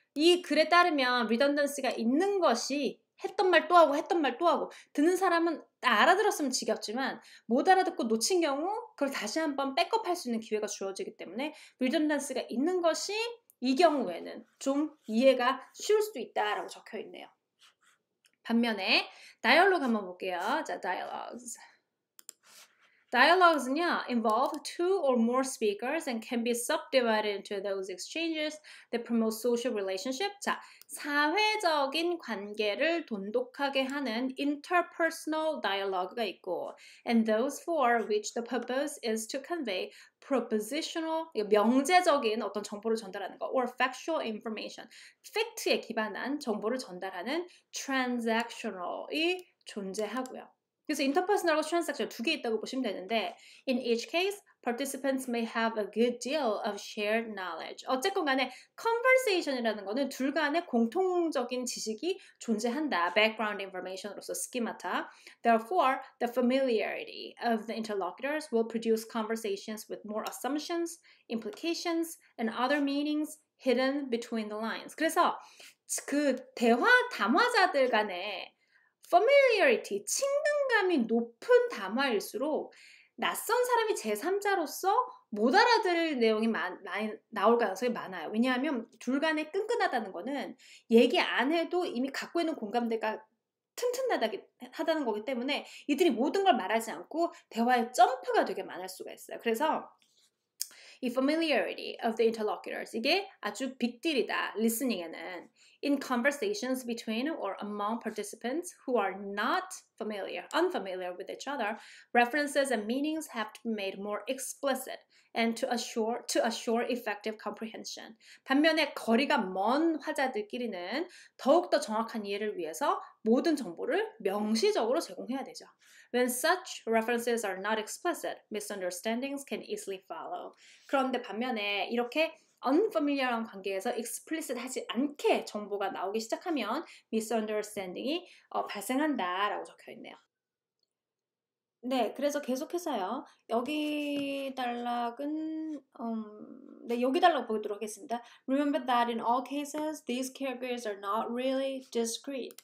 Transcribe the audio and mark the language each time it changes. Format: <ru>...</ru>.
<ko>이 글에 따르면 redundancy가 있는 것이 했던 말또 하고 했던 말또 하고 듣는 사람은 알아들었으면 지겹지만 못 알아듣고 놓친 경우 그걸 다시 한번 백업할 수 있는 기회가 주어지기 때문에 리던던스가 있는 것이 이 경우에는 좀 이해가 쉬울 수도 있다라고 적혀 있네요. 반면에 다이얼로그 한번 볼게요. 자, dialogues.</ko> <en>Dialogues는요, involve two or more speakers and can be subdivided into those exchanges that promote social relationship.</en> <ko>자, 사회적인 관계를 돈독하게 하는 interpersonal dialogue가 있고</ko> <en>and those for which the purpose is to convey propositional,</en> <ko>명제적인 어떤 정보를 전달하는 것</ko> <en>or factual information,</en> <ko>fact에 기반한 정보를 전달하는 transactional이 존재하고요. 그래서 interpersonal과 transactional 두 개 있다고 보시면 되는데</ko> <en>in each case, participants may have a good deal of shared knowledge.</en> <ko>어쨌건 간에 conversation이라는 거는 둘 간에 공통적인 지식이 존재한다.</ko> <en>background information으로서 schemata. Therefore, the familiarity of the interlocutors will produce conversations with more assumptions, implications, and other meanings hidden between the lines.</en> <ko>그래서 그 대화 담화자들 간에 familiarity, 친근감이 높은 담화일수록 낯선 사람이 제3자로서 못 알아들을 내용이 많이 나올 가능성이 많아요. 왜냐하면 둘 간에 끈끈하다는 거는 얘기 안 해도 이미 갖고 있는 공감대가 튼튼하다는 거기 때문에 이들이 모든 걸 말하지 않고 대화의 점프가 되게 많을 수가 있어요. 그래서 이</ko> <en>familiarity of the interlocutors</en> <ko>이게 아주 빅딜이다. 리스닝에는</ko> <en>in conversations between or among participants who are not familiar, unfamiliar with each other, references and meanings have to be made more explicit and to assure effective comprehension.</en> <ko>반면에 거리가 먼 화자들끼리는 더욱더 정확한 이해를 위해서 모든 정보를 명시적으로 제공해야 되죠.</ko> <en>When such references are not explicit, misunderstandings can easily follow.</en> <ko>그런데 반면에 이렇게 unfamiliar한 관계에서 explicit하지 않게 정보가 나오기 시작하면 misunderstanding이 발생한다 라고 적혀있네요. 네, 그래서 계속해서요. 여기 단락은 네, 여기 단락 보도록 하겠습니다.</ko> <en>Remember that in all cases, these characters are not really discrete.</en>